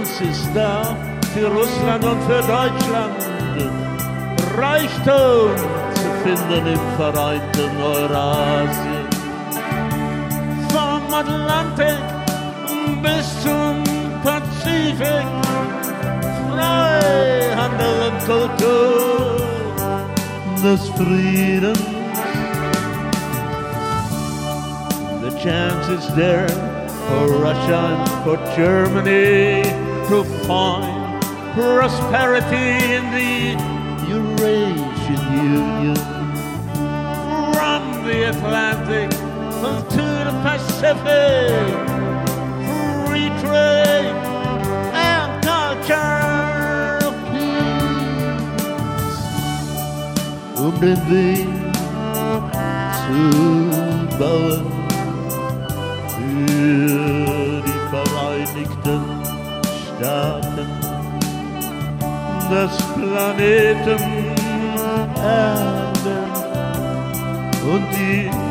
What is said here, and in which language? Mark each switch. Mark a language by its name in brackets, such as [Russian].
[German] Ist da für Russland und für Deutschland Reichtum zu finden im vereinten Eurasien. Vom Atlantik bis zum Pazifik, Freihandel und Kultur des Friedens. [English] The chance is there for Russia and for Germany to find prosperity in the Eurasian Union. From the Atlantic to the Pacific, free trade and culture of peace. [German] Um den Weg zu bauen für die Vereinigten Daten des Planeten Erde und die